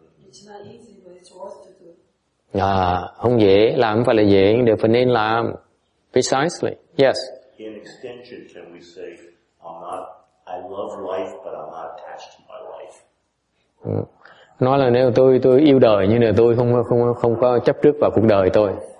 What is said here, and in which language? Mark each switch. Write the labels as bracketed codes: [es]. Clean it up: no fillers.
[en] It's not easy, but it's worth to do. [vi] Không dễ, làm không phải là dễ, đều phải nên làm. [en] Precisely. Yes. In extension, can we say, I love life, but I'm not attached to my life. [vi] Nói là nếu tôi yêu đời, nhưng mà tôi không có chấp trước vào cuộc đời tôi.